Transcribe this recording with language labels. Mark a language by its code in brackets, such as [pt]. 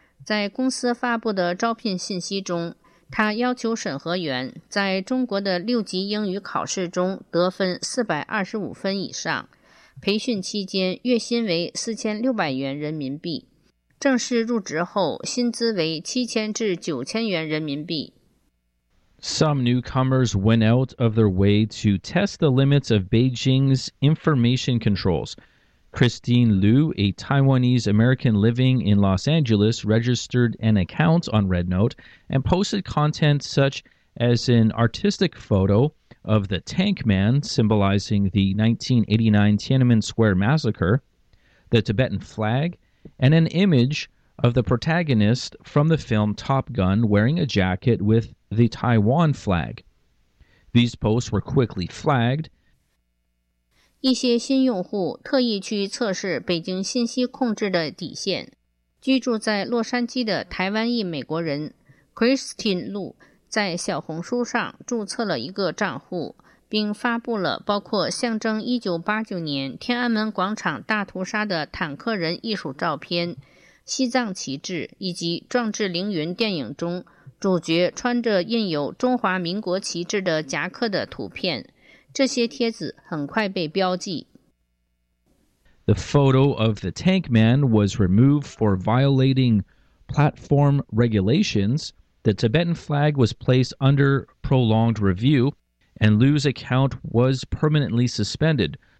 [zh] 在公司发布的招聘信息中，他要求审核员在中国的六级英语考试中得分425分以上，培训期间月薪为4600元人民币，正式入职后薪资为7000至9000元人民币。 [en] Some newcomers went out of their way to test the limits of Beijing's information controls. Christine Liu, a Taiwanese-American living in Los Angeles, registered an account on Red Note and posted content such as an artistic photo of the Tank Man symbolizing the 1989 Tiananmen Square massacre, the Tibetan flag, and an image of the protagonist from the film Top Gun wearing a jacket with the Taiwan flag. These posts were quickly flagged. [zh] 一些新用户特意去测试北京信息控制的底线。居住在洛杉矶的台湾裔美国人 Christine Liu 在小红书上注册了一个账户，并发布了包括象征1989年天安门广场大屠杀的坦克人艺术照片、西藏旗帜以及壮志凌云电影中主角穿着印有中华民国旗帜的夹克的图片。这些帖子很快被标记。 [en] The photo of the Tank Man was removed for violating platform regulations. The Tibetan flag was placed under prolonged review, and Liu's account was permanently suspended.